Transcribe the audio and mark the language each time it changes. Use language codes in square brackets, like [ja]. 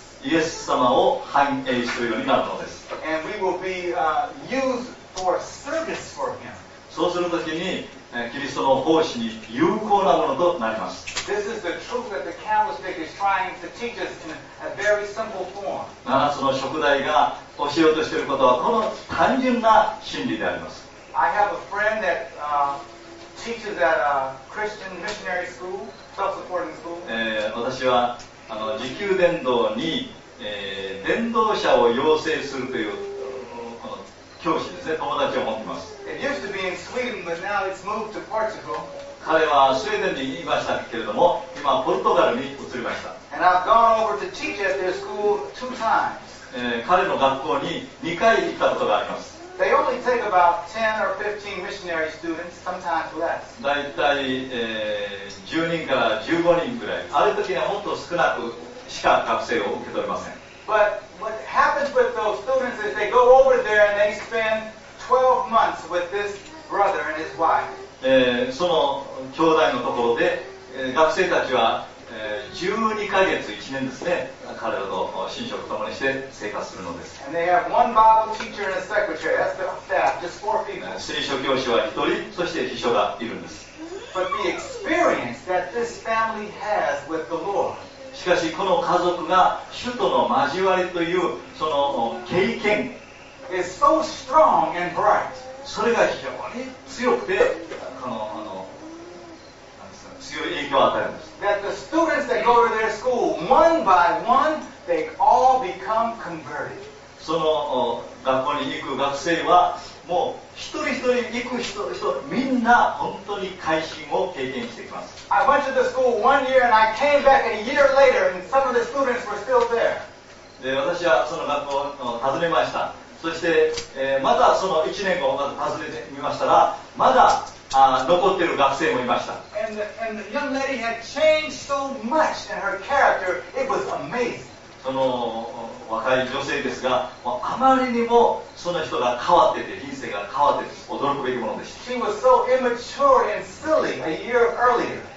[ja] イエス様を反映するようになるのです。 [en] And we will be, used for service for him. [ja] そうするときに、キリストの奉仕に有効なものとなります。 [en] This is the truth that the candlestick is trying to teach us in a very simple form. [ja] 7つの燭台が教えようとしていることは、この単純な真理であります。 [en] I have a friend that, teaches at a Christian missionary school, self-supporting school. [ja] 私は自給伝道に、伝道者を養成するというこの教師ですね、友達を持っています。 [en] It used to be in Sweden, but now it's moved to Portugal. [ja] 彼はスウェーデンにいましたけれども、今ポルトガルに移りました。 [en] And I've gone over to teach at their school two times. [ja] 彼の学校に2回行ったことがあります。 [en] They only take about 10 or 15 missionary students, sometimes less. [ja] だいたい10人から15人くらい、ある時にはもっと少なくしか学生を受け取れません。 [en] But what happens with those students is they go over there and they spend 12 months with this brother and his wife. [ja] その兄弟のところで、学生たちは、12ヶ月、1年ですね、彼らと寝食ともにして生活するのです。 [en] And they have one Bible teacher and a secretary. That's the staff, just four people. [ja] 聖書教師は1人、そして秘書がいるんです。 [en] But the experience that this family has with the Lord. [ja] しかしこの家族が主との交わりというその経験、 [en] is so strong and bright. [ja] それが非常に強くて、この強い影響を与えます。 [en] That the students that go to their school, one by one, they all become converted. [ja] その学校に行く学生は、もう一人一人行く人、みんな本当に改心を経験してきます。 [en] I went to the school one year and I came back a year later and some of the students were still there. [ja] で、私はその学校を訪ねました。そして、またその1年後、また訪ねてみましたら、まだ残っている学生もいました。 [en] And the young lady had changed so much in her character, it was amazing. [ja] その若い女性ですが、あまりにもその人が変わってて、人生が変わってて、驚くべきものでした。 [en] She was so immature and silly a year earlier.